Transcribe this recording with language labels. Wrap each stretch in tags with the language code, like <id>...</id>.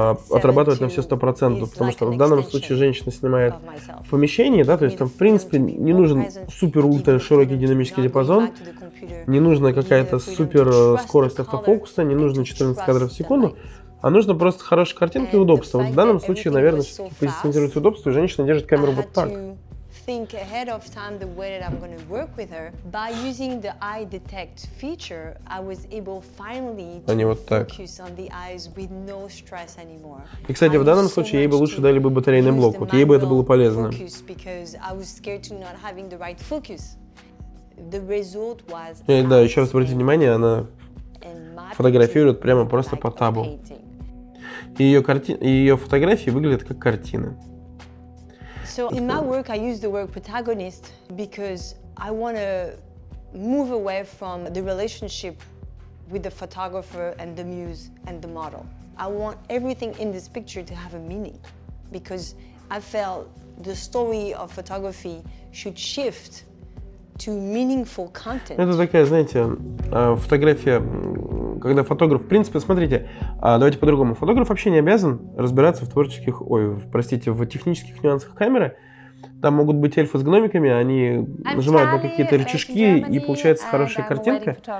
<ru>отрабатывать на все 100%, потому что в данном случае женщина снимает в помещении, да, то есть там в принципе не нужен супер-ультра-широкий динамический диапазон, не нужна какая-то супер-скорость автофокуса, не нужно 14 кадров в секунду, а нужно просто хорошая картинка и удобство. Вот в данном случае, наверное, все-таки позиционируется удобство, и женщина держит камеру вот так.</ru> <en>Think ahead of time the way that I'm going to work with her by using the eye detect feature I was able finally to focus on the eyes with no stress anymore.</en> <ru>И, кстати, в данном случае ей бы лучше дали бы батарейный блок, вот ей бы это было полезно.</ru> <en>Because I was scared to not having the right focus. The result was.</en> <ru>Да, еще раз обратите внимание, она фотографирует прямо просто по табу. Ее фотографии выглядят как картины.</ru> <en>So in my work I use the word protagonist because I want to move away from the relationship with the photographer and the muse and the model. I want everything in this picture to have a meaning because I felt the story of photography should shift to meaningful content.</en> <ru>Это такая, знаете, фотография, когда фотограф, в принципе, смотрите, давайте по-другому. Фотограф вообще не обязан разбираться в творческих, в технических нюансах камеры. Там могут быть эльфы с гномиками, они нажимают на какие-то рычажки, и получается хорошая картинка.</ru>